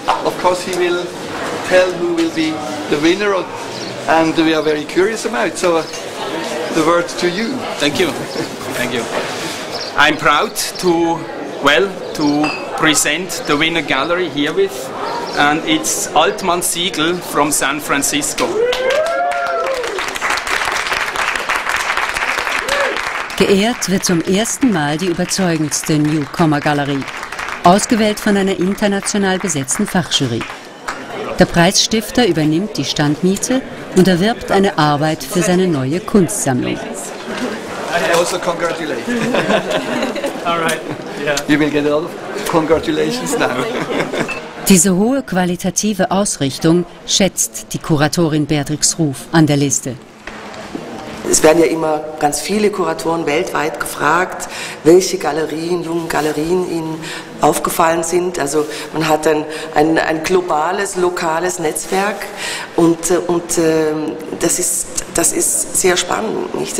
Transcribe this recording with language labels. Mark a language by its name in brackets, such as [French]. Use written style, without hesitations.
[English] Of course, he will tell who will be the winner, and we are very curious about it. So, the word to you. Thank you. Thank you. I'm proud to present the winner gallery here with, and it's Altman Siegel from San Francisco. [German] Geehrt wird zum ersten Mal die überzeugendste Newcomer-Galerie, ausgewählt von einer international besetzten Fachjury. Der Preisstifter übernimmt die Standmiete und erwirbt eine Arbeit für seine neue Kunstsammlung. [English] I also congratulate. All right. Yeah. You will get a lot of congratulations now. [German] Diese hohe qualitative Ausrichtung schätzt die Kuratorin Beatrix Ruf an der Liste. Es werden ja immer ganz viele Kuratoren weltweit gefragt, welche Galerien, jungen Galerien ihnen aufgefallen sind. Also man hat ein globales, lokales Netzwerk und das ist sehr spannend, nicht?